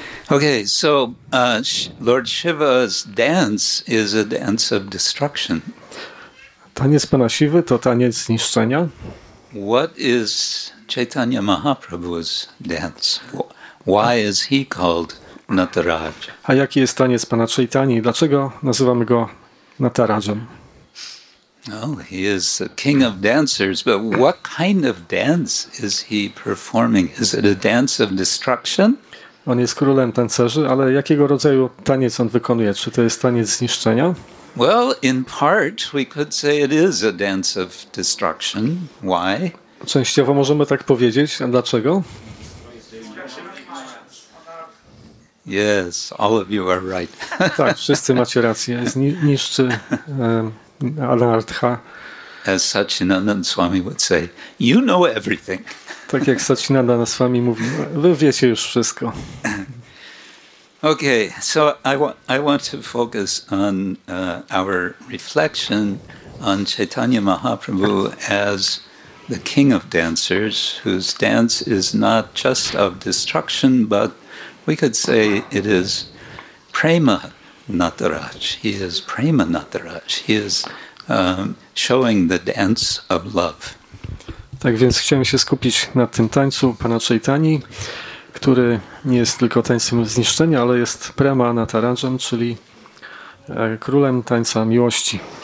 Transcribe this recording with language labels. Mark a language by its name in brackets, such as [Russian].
[English] Okay, so Lord Shiva's dance is a dance of destruction. [Polish] Taniec Pana Siwy to taniec zniszczenia. [English] What is Chaitanya Mahaprabhu's dance? Why is he called Nataraj? [Polish] A jaki jest taniec Pana Chaitanyi? Dlaczego nazywamy go Natarajem? [English] Well, he is the king of dancers, but what kind of dance is he performing? Is it a dance of destruction? [Polish] On jest królem tancerzy, ale jakiego rodzaju taniec on wykonuje? Czy to jest taniec zniszczenia? [English] Well, in part, we could say it is a dance of destruction. Why? [Polish] Częściowo możemy tak powiedzieć. A dlaczego? [English] Yes, all of you are right. [Polish] Tak, wszyscy macie rację. Niszczy Anartha. [English] As Sachinandan Swami would say, you know everything. [Polish] Tak jak Sachinanda z wami mówi, wy wiecie już wszystko. [English] Okay, so I want to focus on our reflection on Chaitanya Mahaprabhu as the king of dancers, whose dance is not just of destruction, but we could say it is prema nataraj. He is prema nataraj. He is showing the dance of love. [Polish] Tak więc chciałem się skupić na tym tańcu pana Chaitani, który nie jest tylko tańcem zniszczenia, ale jest prema natarajem, czyli królem tańca miłości.